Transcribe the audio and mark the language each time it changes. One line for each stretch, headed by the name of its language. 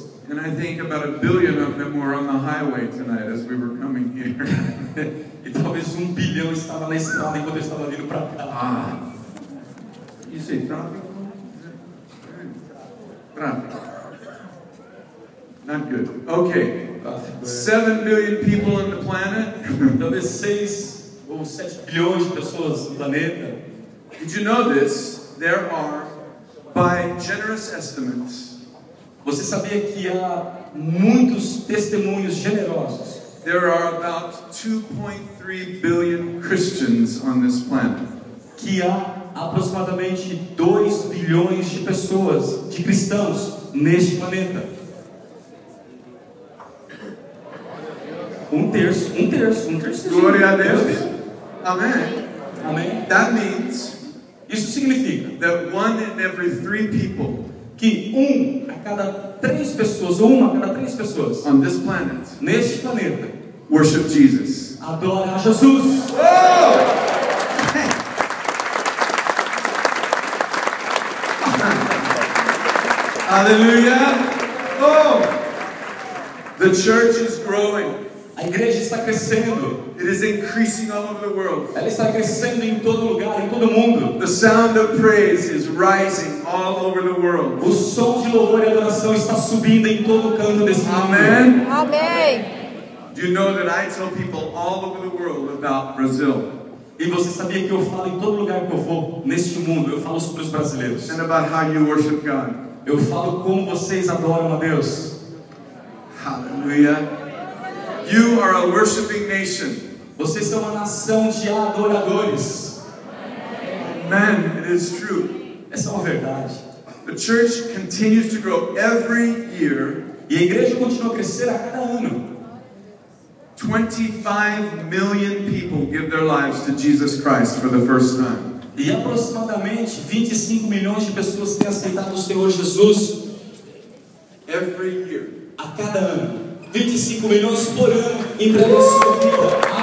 English: And I think about a billion of them were on the highway tonight as we were coming here.
Portuguese: E talvez 1 bilhão estava na estrada enquanto eu estava vindo para cá.
English: Ah. You say traffic? Traffic. Not good. Okay. 7 billion people on the planet.
Portuguese: Talvez 6 ou 7 bilhões de pessoas no planeta.
English: Did you know this? There are, by generous estimates,
Portuguese: você sabia que há muitos testemunhos generosos?
English: There are about 2.3 billion Christians on this planet.
Portuguese: Que há aproximadamente 2 bilhões de pessoas, de cristãos, neste planeta. Um terço. Glória a Deus. Amém. Amém.
English: That means,
Portuguese: isso significa
English: that one in every three people,
Portuguese: que uma a cada três pessoas
English: on this planet,
Portuguese: neste planeta,
English: worship Jesus,
Portuguese: adora a Jesus.
English: Oh! Hey. Aleluia. Oh. The church is growing.
Portuguese: A igreja está crescendo.
English: It is increasing all over the world.
Portuguese: Ela está crescendo em todo lugar, em todo mundo.
English: The sound of praise is rising all over the world.
Portuguese: O som de louvor e adoração está subindo em todo canto desse mundo.
English: Amen.
Portuguese: Amém.
English: Do you know that I tell people all over the world about Brazil?
Portuguese: E você sabia que eu falo em todo lugar que eu vou neste mundo, eu falo sobre os brasileiros.
English: And about how you worship God.
Portuguese: Eu falo como vocês adoram a Deus.
English: Hallelujah. You are a worshiping nation.
Portuguese: Vocês são uma nação de adoradores.
English: Amen. It is true.
Portuguese: Essa é uma verdade.
English: The church continues to grow every year.
Portuguese: E a igreja continua a crescer a cada ano.
English: 25 million people give their lives to Jesus Christ for the first time.
Portuguese: E aproximadamente 25 milhões de pessoas têm aceitado o Senhor Jesus
English: every year.
Portuguese: A cada ano. 25 milhões por ano entregam a sua vida.